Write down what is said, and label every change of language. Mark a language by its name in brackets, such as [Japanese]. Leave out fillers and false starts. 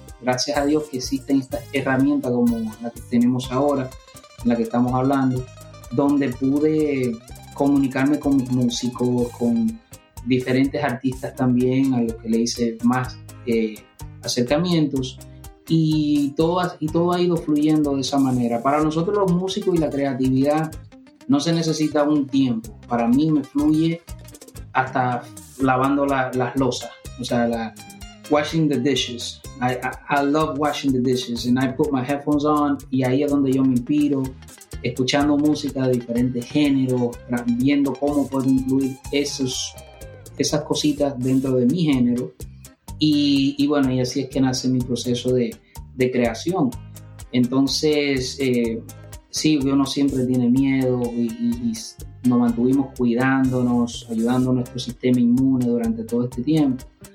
[Spanish] Gracias a Dios que existe esta herramienta como la que tenemos ahora, en la que estamos hablando, donde pude comunicarme con mis músicos, con diferentes artistas también, a los que le hice más acercamientos, y todo ha ido fluyendo de esa manera. Para nosotros los músicos y la creatividad no se necesita un tiempo. Para mí me fluye hasta lavando las losas. O sea, [English] washing the dishes. I love washing the dishes. And I put my headphones on. [Spanish] Y ahí es donde yo me inspiro, escuchando música de diferentes géneros, viendo cómo puedo incluir esas cositas dentro de mi género. Y bueno, y así es que nace mi proceso de creación. Entonces, sí, uno siempre tiene miedo y nos mantuvimos cuidándonos, ayudando a nuestro sistema inmune durante todo este tiempo.